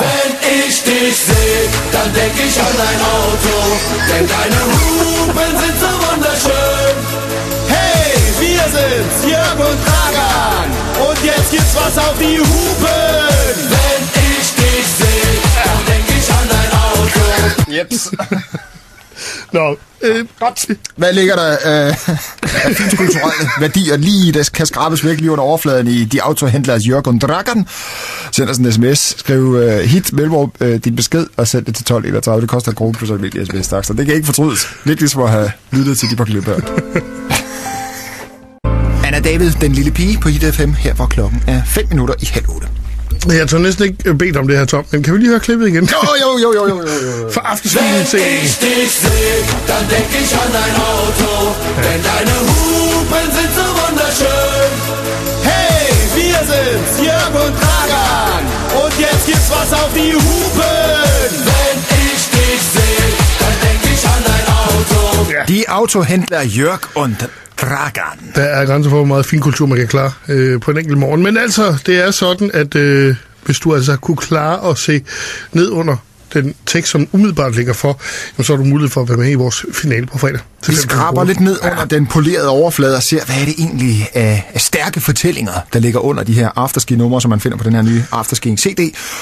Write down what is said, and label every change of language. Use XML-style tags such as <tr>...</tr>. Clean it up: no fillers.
<de>Wenn ich dich seh, dann denk ich an dein Auto, denn deine Hupen sind so wunderschön. Hey, wir sind Jörg und Dragan und jetzt gibt's was auf die Hupen. Wenn ich dich seh, dann denk ich an dein Auto.</de> <da>Jeps. Nå, godt. Hvad ligger der af kulturelle værdier lige i, der kan skrabes virkelig under overfladen i de autohändlers Jörg und Dragan? Send os en sms, skriv hit, mellemrum din besked og send det til 1231. Det koster en krone plus en vildt sms, tak. Så det kan ikke fortrydes. Lidt ligesom at have lyttet til de par klip her. Anna David, den lille pige på Hit FM, her hvor klokken er 8:05. Jeg tør næsten ikke bedt om det her, Tom, men kan vi lige høre klippet igen? Jo. For aftensvinden til.</da> <de>Hvis ich dich seh, dann denk ich an dein Auto, denn deine Hupen sind so wunderschön. Hey, wir sind Jörg und Dragan, und jetzt gibt's was auf die Hupen. Wenn ich dich seh, dann denk ich an dein Auto. Ja. Die Autohändler Jörg und Dragan.</de> <da>Der er grænser for, hvor meget finkultur, man kan klare på en enkelt morgen. Men altså, det er sådan, at hvis du altså kunne klare at se ned under den tekst, som umiddelbart ligger for, jamen, så har du mulighed for at være med i vores finale på fredag. Vi skraber lidt ned under den polerede overflade og ser, hvad er det egentlig af stærke fortællinger, der ligger under de her afterski-numre, som man finder på den her nye afterski-CD.</da>